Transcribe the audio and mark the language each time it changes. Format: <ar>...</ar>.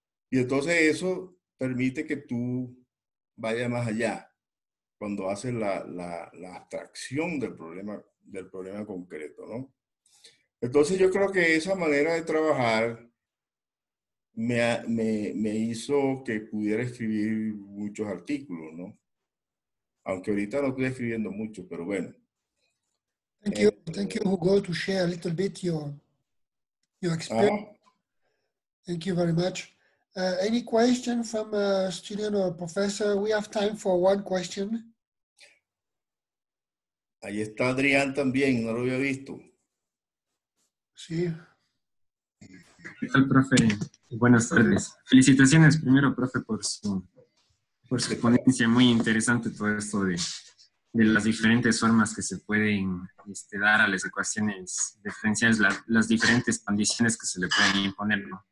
<es>Y entonces eso permite que tú vayas más allá cuando haces la abstracción del problema concreto, ¿no? Entonces yo creo que esa manera de trabajar me hizo que pudiera escribir muchos artículos, ¿no? Aunque ahorita no estoy escribiendo mucho, pero bueno.</es> <en>Thank you, Hugo, to share a little bit your experience. Thank you very much. Any question from a student or a professor? We have time for one question.</en> <es>Ahí está Adrián también, no lo había visto. Sí. ¿Qué tal, profe? Buenas tardes. Felicitaciones primero, profe, por su ponencia. Muy interesante todo esto de las diferentes formas que se pueden dar a las ecuaciones diferenciales, las diferentes condiciones que se le pueden imponer, ¿no?</es>